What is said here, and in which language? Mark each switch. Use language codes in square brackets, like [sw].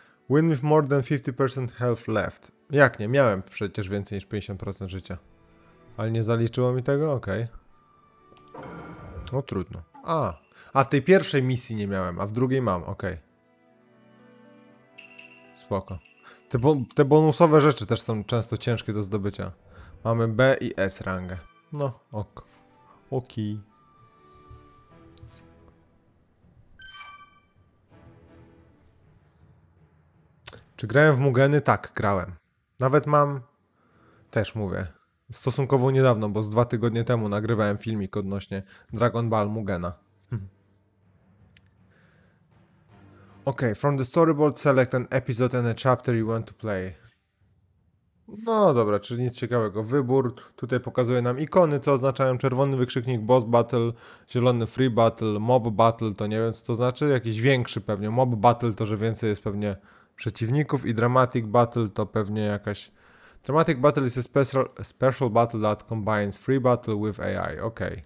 [en] Win with more than 50% health left. [pl] Jak nie? Miałem przecież więcej niż 50% życia. Ale nie zaliczyło mi tego? Okej. Okay. No trudno. A w tej pierwszej misji nie miałem, a w drugiej mam. Okej. Okay. Spoko. Te bonusowe rzeczy też są często ciężkie do zdobycia. Mamy B i S rangę. No, ok. Ok. Czy grałem w Mugeny? Tak, grałem. Nawet mam, też mówię, stosunkowo niedawno, bo z 2 tygodnie temu nagrywałem filmik odnośnie Dragon Ball Mugena. [en] Okej, okay, from the storyboard select an episode and a chapter you want to play. [pl] No dobra, czyli nic ciekawego. Wybór tutaj pokazuje nam ikony, co oznaczają czerwony wykrzyknik Boss Battle, zielony Free Battle, Mob Battle, to nie wiem co to znaczy, jakiś większy pewnie. Mob Battle to, że więcej jest pewnie przeciwników i Dramatic Battle to pewnie jakaś... [en] Dramatic Battle is a special battle that combines Free Battle with AI, ok.